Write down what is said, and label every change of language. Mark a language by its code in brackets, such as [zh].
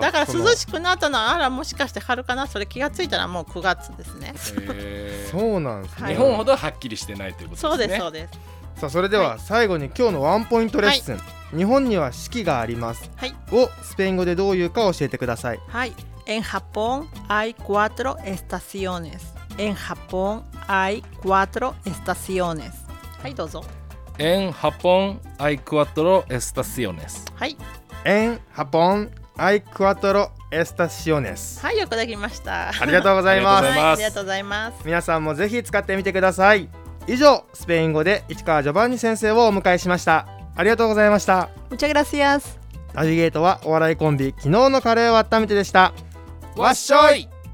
[ja] だから涼しくなったのは、あら、もしかして春かな、それ気がついたらもう9月ですね。そうなんですね、はい、日本ほどはっきりしてないということですね。そうです、そうです。さあ、それでは最後に今日のワンポイントレッスン、はい、日本には四季があります、はい、をスペイン語でどういうか教えてください。 [es] はい、En Japón hay cuatro estaciones. En Japón hay cuatro estaciones. [ja] はい、どうぞ。 [es] En Japón hay cuatro estaciones. [ja] はい。 [es] En Japón hay cuatro estaciones. [ja] はい、よくできました。ありがとうございます。はい、ありがとうございます。皆さんもぜひ使ってみてください。以上、スペイン語で市川ジョバンニ先生をお迎えしました。ありがとうございました。 [es] Muchas gracias。 [ja] ナビゲートはお笑いコンビ、昨日のカレーを温めてでした。わっしょい。